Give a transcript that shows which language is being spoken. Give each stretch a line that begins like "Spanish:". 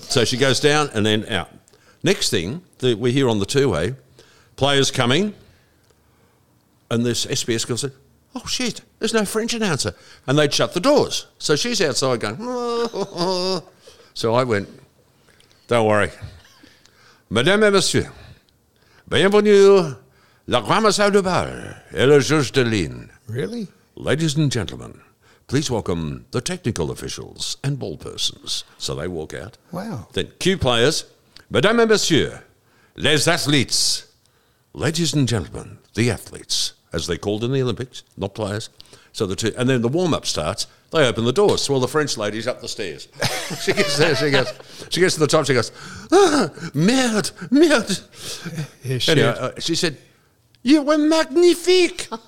English: So she goes down and then out. Next thing, we hear on the two-way, players coming, and this SBS girl said, "Oh, shit, there's no French announcer." And they'd shut the doors. So she's outside going, "Oh." So I went, "Don't worry.
French: Madame et Monsieur, Bienvenue, la grande salle de bal et le juge de ligne.
English: Really? Ladies and gentlemen, please welcome the technical officials and ball persons. So they walk out. Wow. Then cue players.
French: Mesdames et messieurs, les athlètes.
English: Ladies and gentlemen, the athletes, as they're called in the Olympics, not players. So the two, and then the warm-up starts. They open the doors. Well, the French lady's up the stairs. She gets there. She gets to the top. She goes,
French: ah, merde, merde.
English: Yeah, anyway, she said, you were magnifique.